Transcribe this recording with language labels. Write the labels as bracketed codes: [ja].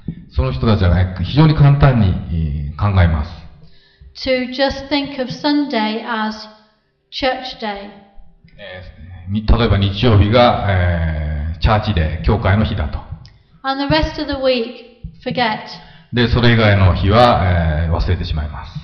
[ja] その人たちは、ね、非常に簡単に考えます。 [en] To just think of Sunday as church day. [ja] 例えば日曜日が、チャーチで教会の日だと。 [en] And the rest of the week, forget. [ja] で、それ以外の日は、忘れてしまいます。